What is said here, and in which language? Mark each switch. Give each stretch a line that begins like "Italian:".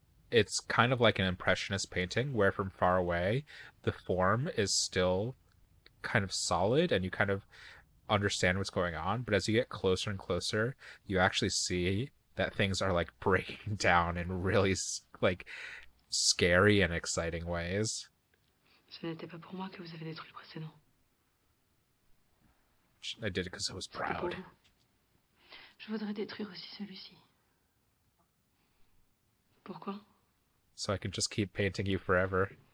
English: It's kind of like an impressionist painting where from far away the form is still kind of solid and you kind of understand what's going on. But as you get closer and closer, you actually see that things are like breaking down in really like scary and exciting ways.
French: Ce n'était pas pour moi que vous avez détruit le précédent.
English: I did it because I was
French: C'était pour
English: proud.
French: vous. Je voudrais détruire aussi celui-ci. Pourquoi?
English: So I can just keep painting you forever.